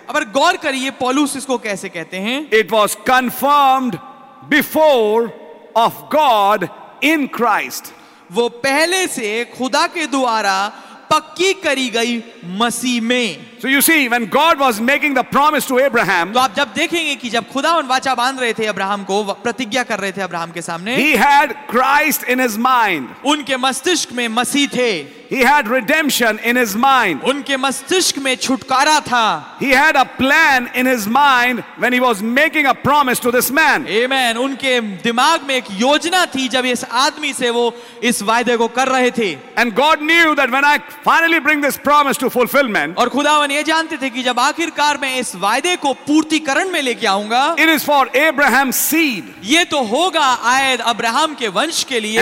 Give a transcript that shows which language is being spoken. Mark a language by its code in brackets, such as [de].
[hi] अब गौर करिए पौलुस इसको कैसे कहते हैं. [en] It was confirmed before of God in Christ. [hi] वो पहले से खुदा के द्वारा पक्की करी गई मसीह में. [en] So you see, when God was making the promise to Abraham, [hi] तो आप जब देखेंगे कि जब खुदा उन वाचा बांध रहे थे अब्राहम को, प्रतिज्ञा कर रहे थे अब्राहम के सामने, [en] he had Christ in his mind. [hi] उनके मस्तिष्क में मसीह थे. [en] He had redemption in his mind. [hi] उनके मस्तिष्क में छुटकारा था. [en] He had a plan in his mind when he was making a promise to this man. Amen. [hi] उनके दिमाग में एक योजना थी जब इस आदमी से वो इस वायदे को कर रहे थे. [en] And God knew that when I finally bring this promise to fulfillment, [hi] और खुदावन ये जानते थे कि जब आखिरकार मैं इस वायदे को पूर्तिकरण में लेके आऊंगा, [en] it is for Abraham's seed. [hi] ये तो होगा आयद अब्राहम के वंश के लिए.